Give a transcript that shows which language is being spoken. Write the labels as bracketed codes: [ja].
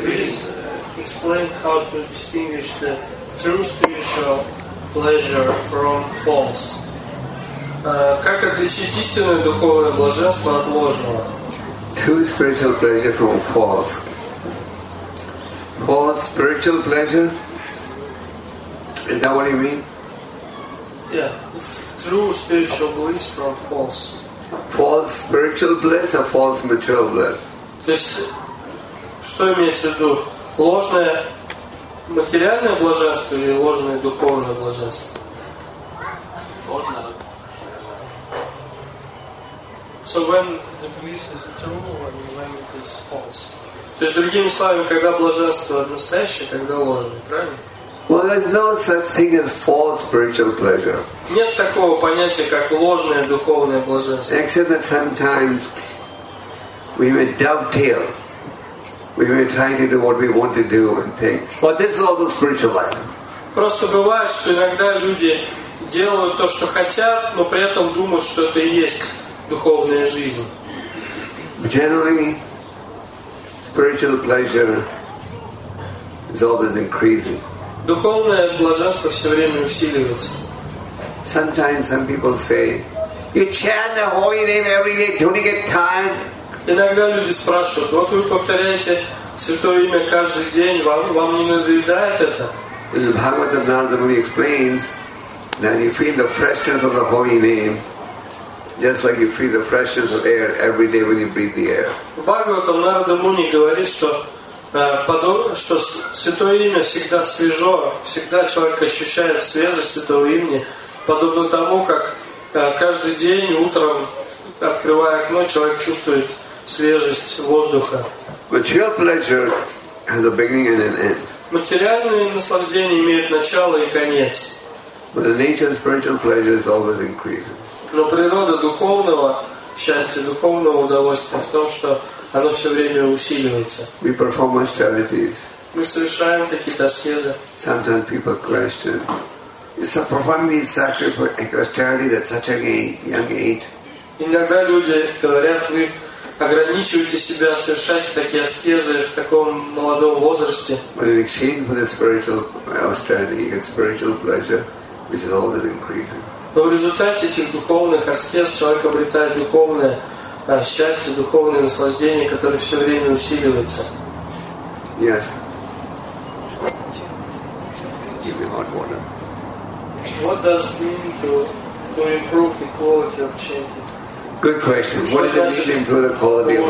[en] Please explain how to distinguish the true spiritual pleasure from false. [ru] Как отличить истинное духовное блаженство от ложного? [en] True spiritual pleasure from false. False spiritual pleasure? Is that what you mean? Yeah. True spiritual bliss from false. False spiritual bliss or false material bliss? [ru] То есть, что имеется в виду? Ложное материальное блаженство или ложное духовное блаженство? Ложное. [en] So when the bliss is true, when it is false. [ru] То есть другими словами, когда блаженство настоящее, когда ложное, правильно? [en] Well, there's no such thing as false spiritual pleasure. [ru] Нет такого понятия, как ложное духовное блаженство. [en] Except that sometimes we may dovetail. We may try to do what we want to do and think. But this is also spiritual life. [ru] Просто бывает, что иногда люди делают то, что хотят, но при этом думают, что это и есть духовная жизнь. [en] Generally, spiritual pleasure is always increasing. [ru] Духовное блаженство все время усиливается. [en] Sometimes some people say, "You chant the holy name every day. Don't you get tired?" [ru] Иногда люди спрашивают: "Вот вы повторяете святое имя каждый день. Вам не надоедает это?" [en] The Bhagavatam Narada explains that you feel the freshness of the holy name. Just like you feel the freshness of air every day when you breathe the air. [ru] Бхагаватам Нарада Муни говорит, что святое имя всегда свежо, всегда человек ощущает свежесть святого имени, подобно тому, как каждый день утром, открывая окно, человек чувствует свежесть воздуха. [en] Material pleasure has a beginning and an end. [ru] Материальное наслаждение имеет начало и конец. [en] But the nature of spiritual pleasure is always increasing. [ru] Но природа духовного счастья, духовного удовольствия в том, что оно все время усиливается. [en] We perform austerities. [ru] Мы совершаем какие-то аскезы. [en] Sometimes people question. It's a profoundly sacrificial austerity that such a young age. [ru] Иногда люди говорят, вы ограничиваете себя совершать такие аскезы в таком молодом возрасте. [en] But in exchange for the spiritual austerity, you get spiritual pleasure, which is always increasing. [ru] Но в результате этих духовных аскез человек обретает духовное счастье, духовное наслаждение, которое все время усиливается. [en] Yes. What does it mean to improve the quality of chanting? Good question. What does it mean to improve the quality of